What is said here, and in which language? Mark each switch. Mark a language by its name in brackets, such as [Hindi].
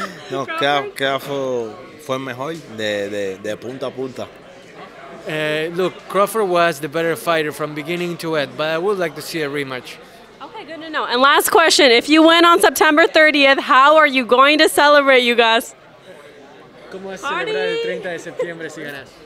[Spanish] No, Crawford fue mejor de punta a punta. [English] Look, Crawford was the better fighter from beginning to end, but I would like to see a rematch. Okay, good to know. And last question, if you win on September 30th, how are you going to celebrate, you guys? [Spanish] ¿Cómo vas a celebrar el 30 de septiembre si ganas?